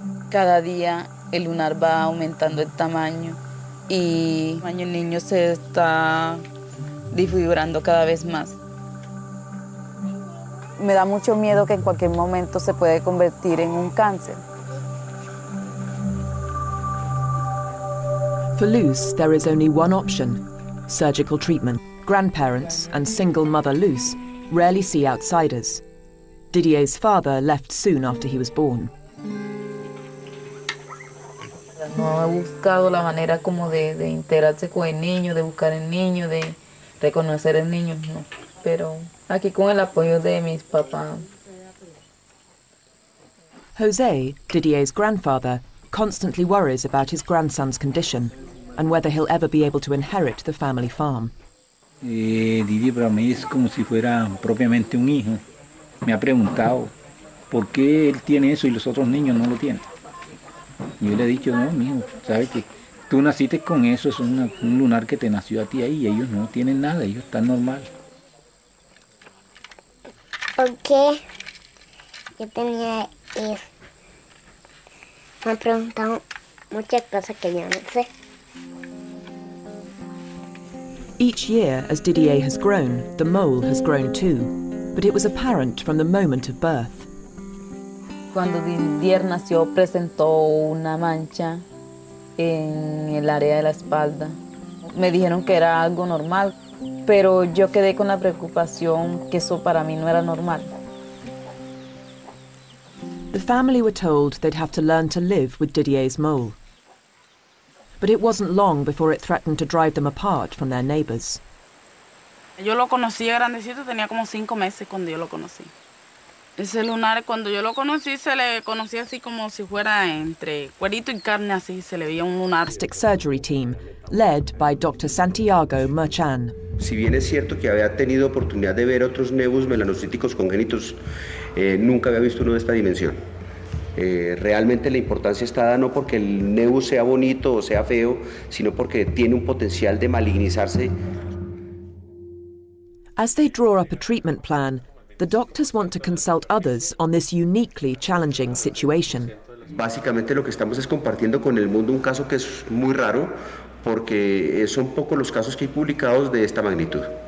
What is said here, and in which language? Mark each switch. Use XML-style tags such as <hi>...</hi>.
<es>Cada día el lunar va aumentando el tamaño y el niño se está desfigurando cada vez más. Me da mucho miedo que en cualquier momento se puede convertir en un cáncer.</es> <en>For Luz, there is only one option, surgical treatment. Grandparents and single mother Luz rarely see outsiders. Didier's father left soon after he was born.</en> <es>No he buscado la manera como de integrarse con el niño, de buscar el niño, de reconocer el niño, no. Pero aquí con el apoyo de mis papás.</es> <en>José, Didier's grandfather, constantly worries about his grandson's condition and whether he'll ever be able to inherit the family farm.</en> <es>Didier para mí es como si fuera propiamente un hijo. Me ha preguntado por qué él tiene eso y los otros niños no lo tienen. Yo le he dicho, no, mijo, sabes que tú naciste con eso, es un lunar que te nació a ti ahí, y ellos no tienen nada, ellos están normal. ¿Por qué yo tenía eso? Me han preguntado muchas cosas que yo no sé.</es> <en>Each year, as Didier has grown, the mole has grown too, but it was apparent from the moment of birth.</en> <es>Cuando Didier nació, presentó una mancha en el área de la espalda. Me dijeron que era algo normal, pero yo quedé con la preocupación que eso para mí no era normal.</es> <en>The family were told they'd have to learn to live with Didier's mole. But it wasn't long before it threatened to drive them apart from their neighbors.</en> <es>Yo lo conocí grandecito, tenía como 5 meses cuando yo lo conocí. Ese lunar, cuando yo lo conocí, se le conocía así como si fuera entre cuerito y carne, así se le veía un lunar.</es> <en>Plastic surgery team, led by Dr. Santiago Merchan.</en> <es>Si bien es cierto que había tenido oportunidad de ver otros nevus melanocíticos congénitos, nunca había visto uno de esta dimensión. Realmente la importancia está dada no porque el nevus sea bonito o sea feo, sino porque tiene un potencial de malignizarse.</es> <en>As they draw up a treatment plan, the doctors want to consult others on this uniquely challenging situation.</en> <es>Básicamente lo que estamos es compartiendo con el mundo un caso que es muy raro, porque son pocos los casos que hay publicados de esta magnitud.</es>